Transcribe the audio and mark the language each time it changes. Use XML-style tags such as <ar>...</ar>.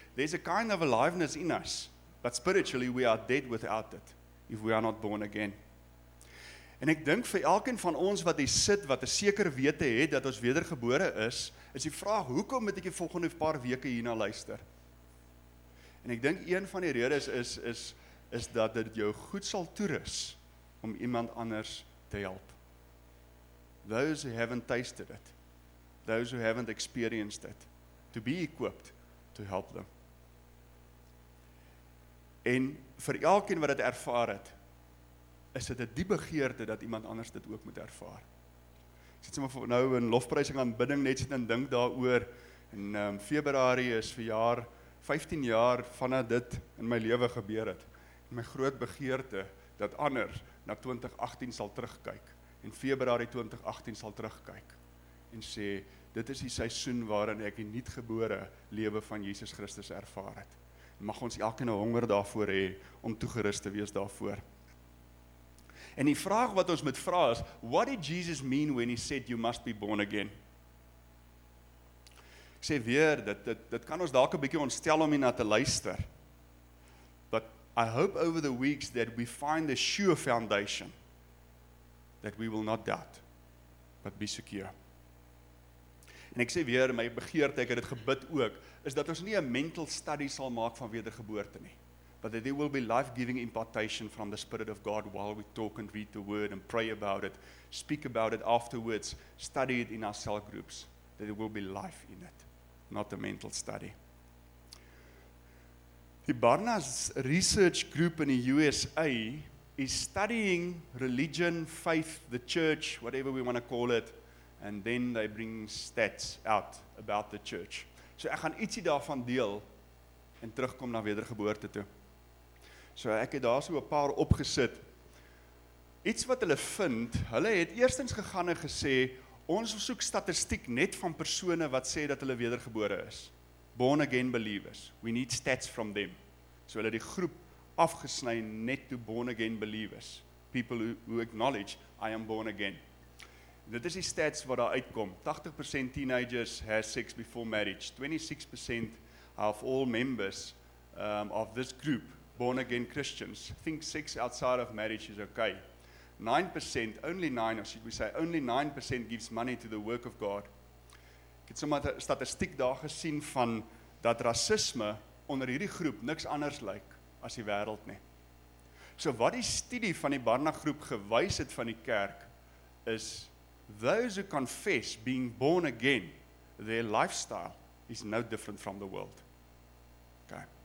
<en>There's a kind of aliveness in us, but spiritually we are dead without it, if we are not born again.</en> <af>En ek dink vir elkeen van ons wat hier sit, wat 'n sekere wete het, dat ons wedergebore is, is die vraag, hoekom moet ek die volgende paar weke hierna luister? En ek dink een van die redes is dat dit jou goed sal toerus om iemand anders te help.</af> <en>Those who haven't tasted it, those who haven't experienced it, to be equipped to help them.</en> <af>En vir elkeen wat dit ervaar het, is dit 'n diepe begeerte dat iemand anders dit ook moet ervaar. Ek sit sommer nou in lofprysing aan bidding net sit en dink daaroor en Februarie is verjaar 15 jaar vanaf dit in my lewe gebeur het. En my groot begeerte dat ander na 2018 sal terugkyk en Februarie 2018 sal terugkyk en sê dit is die seisoen waarin ek die nuutgebore lewe van Jesus Christus ervaar het. Mag ons elkeen 'n honger daarvoor hê om toegerus te wees daarvoor. En die vraag wat ons moet vra is,</af> <en>what did Jesus mean when he said you must be born again?</en> <af>Ek sê weer, dit kan ons dalk 'n bietjie ontstel om hierna te luister.</af> <en>But I hope over the weeks that we find a sure foundation that we will not doubt, but be secure.</en> <af>En ek sê weer, my begeerte, ek het dit gebid ook, is dat ons nie 'n mental study sal maak van wedergeboorte nie.</af> <en>But that there will be life-giving impartation from the Spirit of God while we talk and read the Word and pray about it, speak about it afterwards, study it in our cell groups. That there will be life in it, not a mental study. The Barna's research group in the USA is studying religion, faith, the church, whatever we want to call it, and then they bring stats out about the church.</en> <af>So ek gaan ietsie daarvan deel en terugkom na wedergeboorte toe. So ek het daar so 'n paar opgesit. Iets wat hulle vind, hulle het eerstens gegaan en gesê, ons soek statistiek net van persone wat sê dat hulle wedergebore is.</af> <en>Born again believers. We need stats from them.</en> <af>So hulle het die groep afgesny net toe</af> <en>born again believers. People who acknowledge, I am born again.</en> <af>Dit is die stats wat daar uitkom.</af> <en>80% teenagers have sex before marriage. 26% of all members of this group. Born again Christians think sex outside of marriage is okay. 9%, only 9, or should we say, only 9% gives money to the work of God.</en> <af>Ek het sommer statistiek daar gesien van dat rasisme onder hierdie groep niks anders lyk as die wêreld nie. So wat die studie van die Barna groep gewys het van die kerk is</af> <en>those who confess being born again, their lifestyle is no different from the world. Okay.</en>